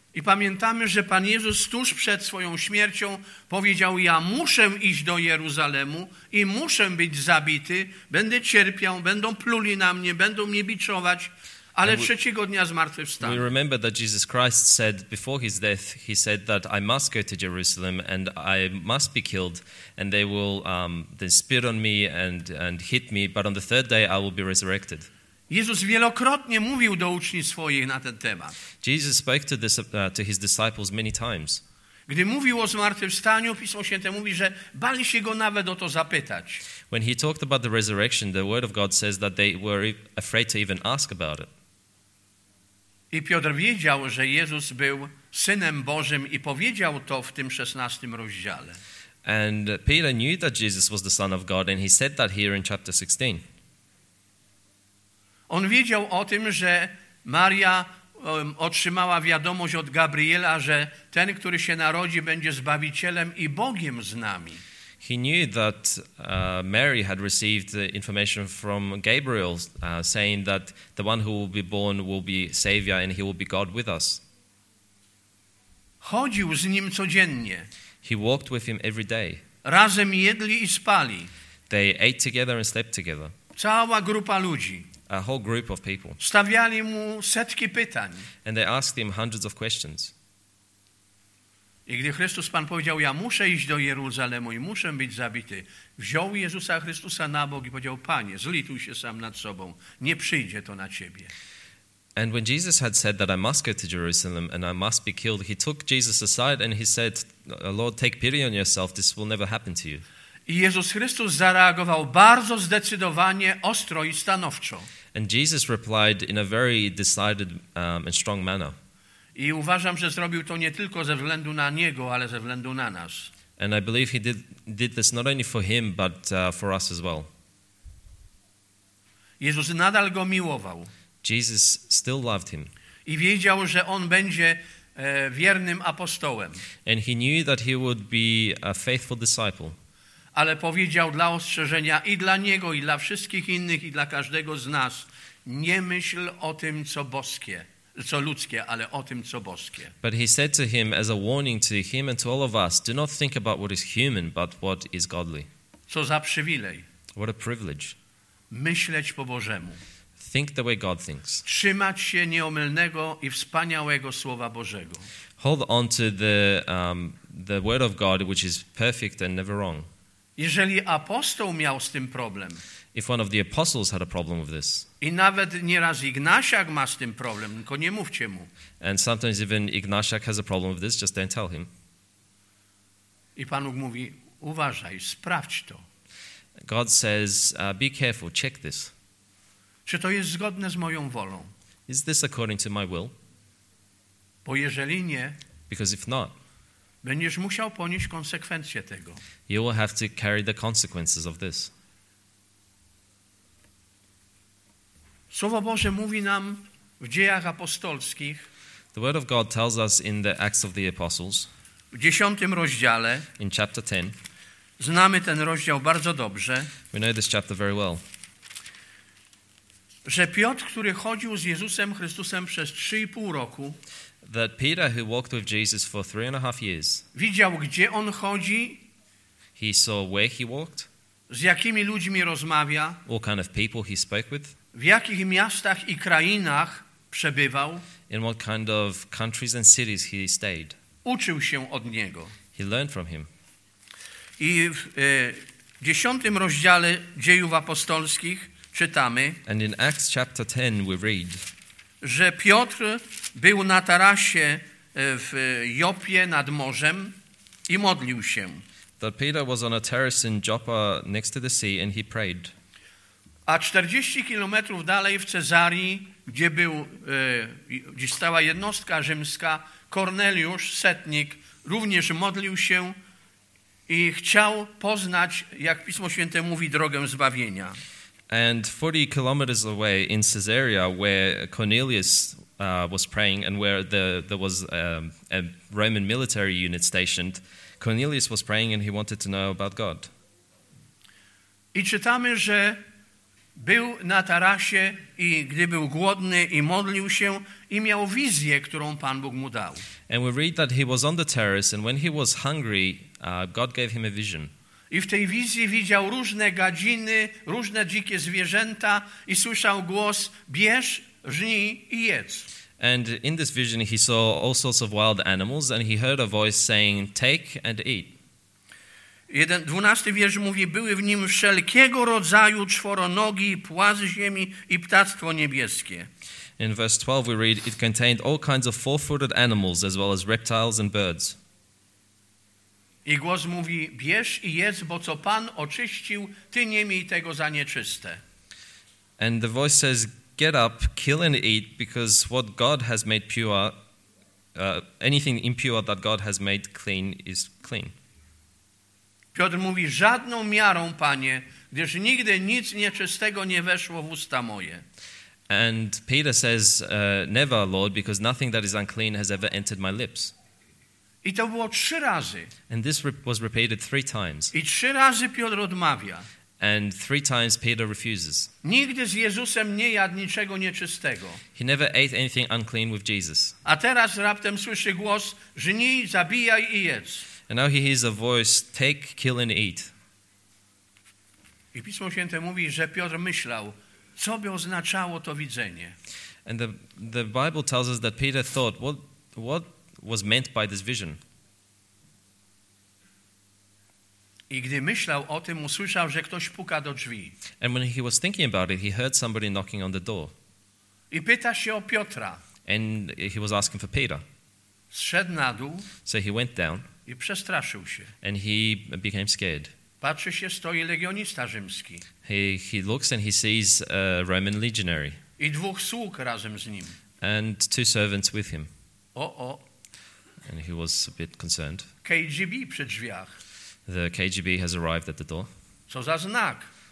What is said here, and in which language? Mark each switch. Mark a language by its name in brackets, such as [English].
[Polish] I pamiętamy, że Pan Jezus tuż przed swoją śmiercią powiedział: ja muszę iść do Jeruzalemu i muszę być zabity, będę cierpiał, będą pluli na mnie, będą mnie biczować, ale trzeciego dnia zmartwychwstanę. [English] We remember that Jesus Christ said before his death, he said that I must go to Jerusalem and I must be killed and they will they spit on me and hit me, but on the third day I will be resurrected. [Polish] Jezus wielokrotnie mówił do uczniów swoich na ten temat. [English] Jesus spoke to his disciples many times. [Polish] Gdy mówił o zmartwychwstaniu, Pismo Święte mówi, że bali się go nawet o to zapytać. [English] When he talked about the resurrection, the word of God says that they were afraid to even ask about it. [Polish] I Piotr wiedział, że Jezus był Synem Bożym i powiedział to w tym 16 rozdziale. [English] And Peter knew that Jesus was the Son of God and he said that here in chapter 16. [Polish] On wiedział o tym, że Maria otrzymała wiadomość od Gabriela, że ten, który się narodzi, będzie Zbawicielem i Bogiem z nami. [English] He knew that Mary had received the information from Gabriel saying that the one who will be born will be Savior and he will be God with us. [Polish] Chodził z nim codziennie. [English] He walked with him every day. [Polish] Razem jedli i spali. [English] They ate together and slept together. [Polish] Cała grupa ludzi. [English] A whole group of people. [Polish] Stawiali mu setki pytań. [English] And they asked him hundreds of questions. [Polish] I gdy Chrystus Pan powiedział, ja muszę iść do Jeruzalemu i muszę być zabity, wziął Jezusa Chrystusa na bok i powiedział: Panie, zlituj się sam nad sobą, nie przyjdzie to na Ciebie. [English] And when Jesus had said that I must go to Jerusalem and I must be killed, he took Jesus aside and he said, Lord, take pity on yourself, this will never happen to you. [Polish] I Jezus Chrystus zareagował bardzo zdecydowanie, ostro i stanowczo. [English] And Jesus replied in a very decided and strong manner. [Polish] I uważam, że zrobił to nie tylko ze względu na Niego, ale ze względu na nas. [English] And I believe he did this not only for him, but for us as well. [Polish] Jezus nadal go miłował. [English] Jesus still loved him. [Polish] I wiedział, że on będzie wiernym apostołem. [English] And he knew that he would be a faithful disciple. [Polish] Ale powiedział dla ostrzeżenia i dla niego, i dla wszystkich innych, i dla każdego z nas: nie myśl o tym, co boskie, co ludzkie, ale o tym, co boskie. [English] But he said to him as a warning to him and to all of us, do not think about what is human, but what is godly. [Polish] Co za przywilej. [English] What a privilege. [Polish] Myśleć po Bożemu. [English] Think the way God thinks. [Polish] Trzymać się nieomylnego i wspaniałego Słowa Bożego. [English] Hold on to the word of God, which is perfect and never wrong. [Polish] Jeżeli apostoł miał z tym problem, [English] if one of the apostles had a problem with this, [Polish] i nawet nieraz Ignasiak ma z tym problem, tylko nie mówcie mu. [English] And sometimes even Ignasiak has a problem with this, just don't tell him. [Polish] I Pan Bóg mówi: uważaj, sprawdź to. [English] God says, be careful, check this. [Polish] Czy to jest zgodne z moją wolą? [English] Is this according to my will? [Polish] Bo jeżeli nie, [English] because if not, [Polish] będziesz musiał ponieść konsekwencje tego. [English] You will have to carry the consequences of this. [Polish] Słowo Boże mówi nam w Dziejach Apostolskich. [English] The word of God tells us in the Acts of the Apostles. [Polish] W 10 rozdziale. [English] In chapter 10. [Polish] Znamy ten rozdział bardzo dobrze. [English] We know this chapter very well. [Polish] że Piotr, który chodził z Jezusem Chrystusem przez 3,5 roku, [English] that Peter, who walked with Jesus for 3.5 years, [Polish] widział, gdzie on chodzi, [English] he saw where he walked, [Polish] z jakimi ludźmi rozmawia, [English] what kind of people he spoke with, [Polish] w jakich miastach i krainach przebywał, [English] in what kind of countries and cities he stayed, [Polish] uczył się od niego. [English] He learned from him. [Polish] I w 10 rozdziale Dziejów Apostolskich czytamy, [English] and in Acts chapter 10 we read, [Polish] że Piotr był na tarasie w Jopie nad morzem i modlił się. [English] That Peter was on a terrace in Joppa next to the sea and he prayed. [Polish] A 40 kilometrów dalej w Cezarii, gdzie był, gdzie stała jednostka rzymska, Korneliusz, setnik, również modlił się i chciał poznać, jak Pismo Święte mówi, drogę zbawienia. [English] And 40 kilometers away in Caesarea, where Cornelius was praying and where there was a Roman military unit stationed, Cornelius was praying and he wanted to know about God. [Polish] I czytamy, że był na tarasie i gdy był głodny i modlił się i miał wizję, którą Pan Bóg mu dał. [English] And we read that he was on the terrace and when he was hungry, God gave him a vision. [Polish] I w tej wizji widział różne gadziny, różne dzikie zwierzęta i słyszał głos: bierz, żnij i jedz. [English] And in this vision he saw all sorts of wild animals and he heard a voice saying, take and eat. [Polish] 12 wiersz mówi, były w nim wszelkiego rodzaju czworonogi, płazy ziemi i ptactwo niebieskie. [English] In verse 12 we read, it contained all kinds of four-footed animals as well as reptiles and birds. [Polish] I głos mówi, bierz i jedz, bo co Pan oczyścił, ty nie miej tego za nieczyste. [English] And the voice says, get up, kill and eat, because what God has made pure, anything impure that God has made clean is clean. [Polish] Piotr mówi, żadną miarą, Panie, gdyż nigdy nic nieczystego nie weszło w usta moje. [English] And Peter says, never, Lord, because nothing that is unclean has ever entered my lips. [Polish] I to było 3 razy. [English] And this was repeated 3 times. [Polish] I 3 razy Piotr odmawia. [English] And 3 times Peter refuses. [Polish] Nigdy z Jezusem nie jadł niczego nieczystego. [English] He never ate anything unclean with Jesus. [Polish] A teraz raptem słyszy głos, żnij, zabijaj i jedz. [English] And now he hears a voice, take, kill and eat. [Polish] I Pismo Święte mówi, że Piotr myślał, co by oznaczało to widzenie. [English] And the Bible tells us that Peter thought, what was meant by this vision. [Polish] I gdy myślał o tym, usłyszał, że ktoś puka do drzwi. [English] And when he was thinking about it, he heard somebody knocking on the door. [Polish] I pyta się o Piotra. [English] And he was asking for Peter. [Polish] Zszedł na dół. [English] So he went down. [Polish] I przestraszył się. [English] And he became scared. [Polish] Patrzy się, stoi legionista rzymski. [English] He looks and he sees a Roman legionary. [Polish] I 2 sług razem z nim. [English] And 2 servants with him. O-o. And he was a bit concerned. [Polish] KGB przy drzwiach. [English] The KGB has arrived at the door. [Polish] Co za znak?